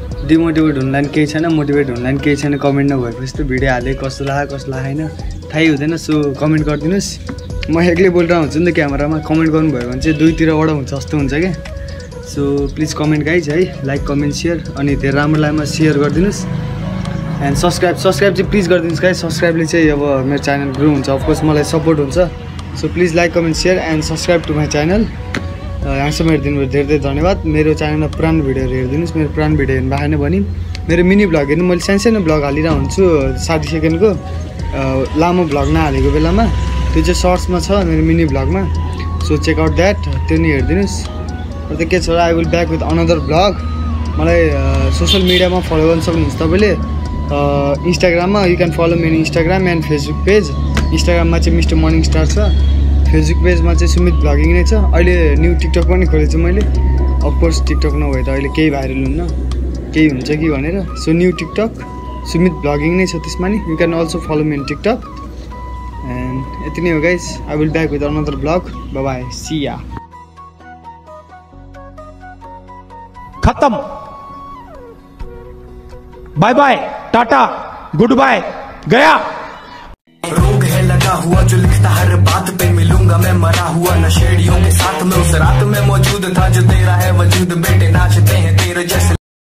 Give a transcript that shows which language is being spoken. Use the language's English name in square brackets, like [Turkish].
[Nepali] Demotivate हुनुलाई पनि केही छैन, मोटिभेट हुनुलाई पनि केही छैन, कमेन्ट नभएपछि त भिडियो हालेँ कस्तो लाग्यो कस्तो लाग्यो होइन थाहै हुँदैन, सो कमेन्ट गरिदिनुहोस्, म एक्लै बोलेर हुन्छु नि त क्यामेरामा, कमेन्ट गर्नुभयो भने चाहिँ दुईतिरबाट हुन्छ जस्तो हुन्छ क्या, सो प्लिज कमेन्ट गाइज है, लाइक कमेन्ट सेयर अनि धेरै राम्रो लाग्यो सेयर गरिदिनुहोस् एन्ड सब्सक्राइब, सब्सक्राइब चाहिँ प्लिज गरिदिनुहोस् गाइज, सब्सक्राइबले चाहिँ अब मेरो च्यानल ग्रो हुन्छ अफकोर्स, मलाई सपोर्ट हुन्छ, [English] so please like comment share and subscribe to my channel [Nepali] यहाँसम्म हेरिदिनुभयो धेरै धेरै धन्यवाद। मेरो च्यानलमा पुरानो भिडियोहरू हेरिदिनुहोस्, मेरो पुरानो भिडियो हेर्नु भएन भने मेरो मिनी ब्लग हेर्नु, मैले सानसानो ब्लग हालिरहेको हुन्छु 30 सेकेन्डको, लामो ब्लग नहालेको बेलामा त्यो चाहिँ सर्ट्समा छ मेरो mini ब्लगमा, [English] so check out that, [Nepali] त्यो नि हेरिदिनुहोस्। अन्त के छ, [English] I will back with another blog. [Nepali] मलाई सोसियल मिडियामा फलो गर्न सक्नुहुन्छ तपाईँले, इन्स्टाग्राममा [English] you can follow [Nepali] मेरो इन्स्टाग्राम एन्ड फेसबुक पेज, इन्स्टाग्राममा चाहिँ मिस्टर मर्निङ स्टार छ, फेसबुक पेजमा चाहिँ सुमित ब्लगिङ नै छ। अहिले न्यू टिकटक पनि खोलेछु मैले, अफकोर्स टिकटक नभए त अहिले केही भाइरल हुन्न, केही हुन्छ कि भनेर, so new TikTok Sumit blogging नै छ त्यसमा नि, [English] you can also follow main TikTok [Nepali] and यति नै हो guys, [English] I will back with another blog, bye bye, see ya. [Nepali] खतम, bye bye, Tata, good bye, गया। [Hindi] रोग है लगा हुआ जो लिखता हर बात पे, मिलूंगा मैं मरा हुआ नशेड़ियों के साथ में, उस रात में मौजूद था जो तेरा है वजूद, बेटे नाचते हैं तेरे जैसे।